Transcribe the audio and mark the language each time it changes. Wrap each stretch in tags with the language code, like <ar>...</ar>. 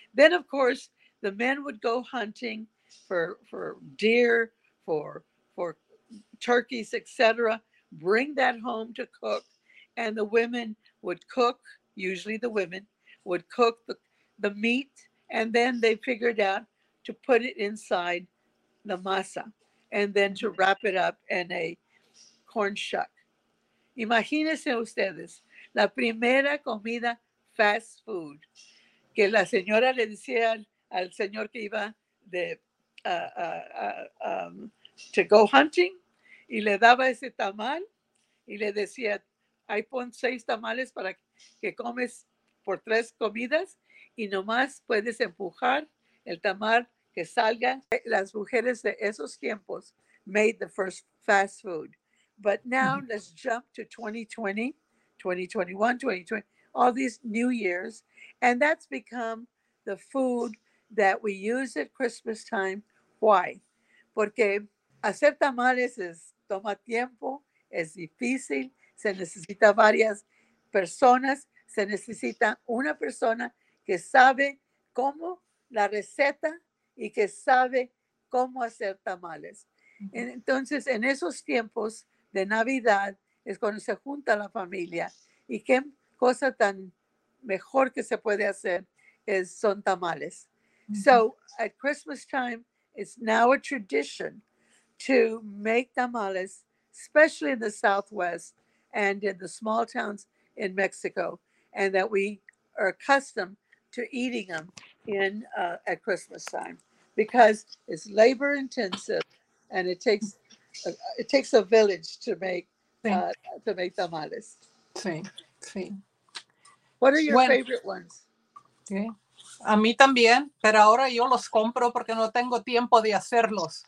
<en>Then, of course, the men would go hunting for deer, for turkeys, etc., bring that home to cook, and the women would cook, usually the women, would cook the meat, and then they figured out to put it inside the masa, and then to wrap it up in a corn shuck.</en> <es>Imagínense ustedes, la primera comida</es> <en>fast food,</en> <es>que la señora le decía al señor que iba</es> <en>to go hunting,</en> <es>y le daba ese tamal, y le decía, ahí pon 6 tamales para que comes por 3 comidas y nomás puedes empujar el tamal que salga. Las mujeres de esos tiempos</es> <en>made the first fast food. But now let's jump to 2020, 2021, 2020, all these new years. And that's become the food that we use at Christmas time. Why?</en> <es>Porque hacer tamales toma tiempo, es difícil. Se necesita varias personas, se necesita una persona que sabe cómo la receta y que sabe cómo hacer tamales. Entonces, en esos tiempos de Navidad es cuando se junta la familia y qué cosa tan mejor que se puede hacer son tamales.</es> <en>So, at Christmas time, it's now a tradition to make tamales, especially in the Southwest, and in the small towns in Mexico, and that we are accustomed to eating them at Christmas time, because it's labor intensive, and it takes a village to make tamales.</en> <es>Sí.</es> <en>What are your favorite ones? Okay.</en> <es>A mí también, pero ahora yo los compro porque no tengo tiempo de hacerlos.</es>